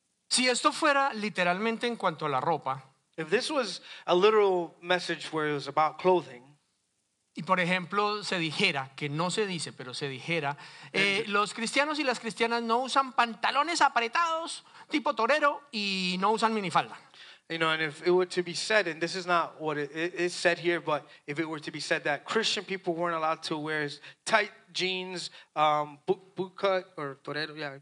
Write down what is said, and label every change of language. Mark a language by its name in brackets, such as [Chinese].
[Spanish] Si esto fuera literalmente en cuanto a la ropa, [English] if this was a literal message where it was about clothing. [Spanish] Y por ejemplo, se dijera, que no se dice, pero se dijera, los cristianos y las cristianas no usan pantalones apretados, tipo torero, y no usan minifalda. [English] You know, and if it were to be said, and this is not what it said here, but if it were to be said that Christian people weren't allowed to wear tight jeans, bootcut, or torero, yeah.